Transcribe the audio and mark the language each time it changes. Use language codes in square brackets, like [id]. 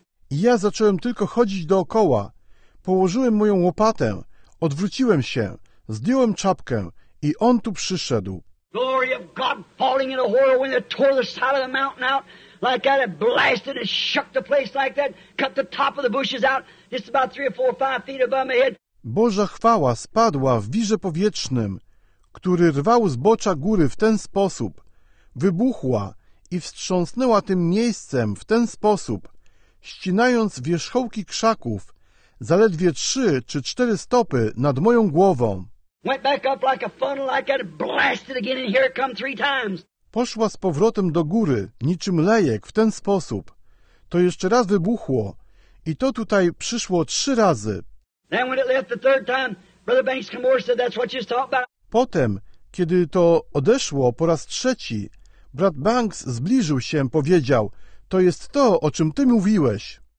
[pl] I ja zacząłem tylko chodzić dookoła. Położyłem moją łopatę, odwróciłem się, zdjąłem czapkę i on tu przyszedł. [en] Glory of God falling in a whirlwind that tore the side of the mountain out like that. It blasted and shook the place like that. Cut the top of the bushes out. Just about 3 or 4 or 5 feet above my head. [pl] Boża chwała spadła w wirze powietrznym, który rwał zbocza góry w ten sposób. Wybuchła i wstrząsnęła tym miejscem w ten sposób, ścinając wierzchołki krzaków, zaledwie 3 czy 4 stopy nad moją głową. [en] Went back up like a funnel, like that, blasted again, and here it come 3 times. [pl] Poszła z powrotem do góry, niczym lejek, w ten sposób. To jeszcze raz wybuchło, i to tutaj przyszło 3 razy. [en] Then when it left the third time, Brother Banks came over and said, "That's what you're talking about." [pl] Potem, kiedy to odeszło po raz trzeci, brat Banks zbliżył się, powiedział, "To jest to, o czym ty mówiłeś."